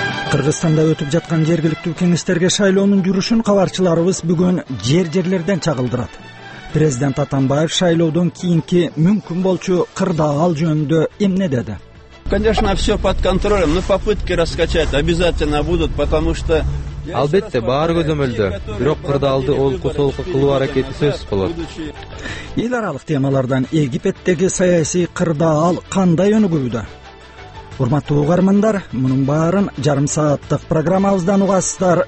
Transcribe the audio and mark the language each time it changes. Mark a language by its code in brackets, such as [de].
[ky] Кыргызстанда өтүп жаткан жергиликтүү кеңештерге шайлоонун жүрүшүн кабарчыларыбыз бүгүн жер-жерлерден чагылдырат. Президент Атамбаев шайлоодон кийинки мүмкүн болчу кырдаал жөнүндө эмне деди? [ru] Конечно, все под контролем, но попытки раскачать обязательно будут, потому что [ky] албетте, баары көзөмөлдө, бирок кырдаалды олку-солку кылуу аракети сөзсүз болот. Эл аралык темалардан Египеттеги саясий кырдаал кандай өнүгүүдө? Урматтуу угармандар, мунун баарын жарым сааттык программабыздан угасыздар.